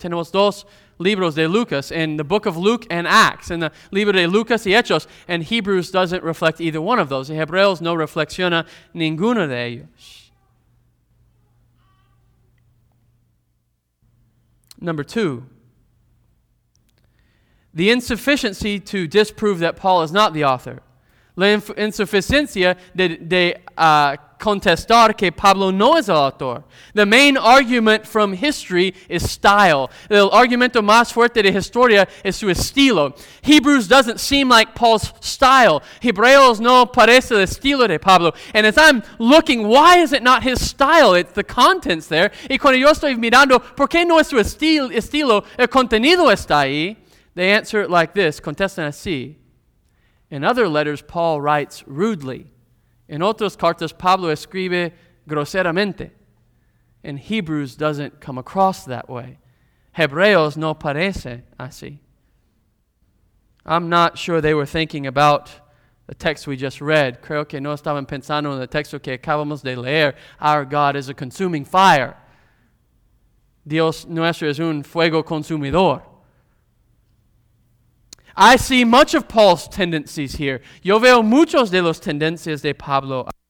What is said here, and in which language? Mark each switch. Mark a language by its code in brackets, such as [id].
[es] Tenemos 2 libros de Lucas, [en] in the book of Luke and Acts, in the [es] libro de Lucas y Hechos, [en] and Hebrews doesn't reflect either one of those. [es] Hebreos no reflexiona ninguno de ellos. [en] Number 2. The insufficiency to disprove that Paul is not the author. [es] La insuficiencia de contestar que Pablo no es el autor. [en] The main argument from history is style. [es] El argumento más fuerte de historia es su estilo. [en] Hebrews doesn't seem like Paul's style. [es] Hebreos no parece el estilo de Pablo. [en] And as I'm looking, why is it not his style? It's the contents there. [es] Y cuando yo estoy mirando, ¿por qué no es su estilo? El contenido está ahí. [en] They answer it like this, [es] contestan así. [en] In other letters, Paul writes rudely. In [es] otras cartas, Pablo escribe groseramente. [en] And Hebrews doesn't come across that way. [es] Hebreos no parece así. [en] I'm not sure they were thinking about the text we just read. [es] Creo que no estaban pensando en el texto que acabamos de leer. [en] Our God is a consuming fire. [es] Dios nuestro es un fuego consumidor. [en] I see much of Paul's tendencies here. [es] Yo veo muchos de los tendencias de Pablo.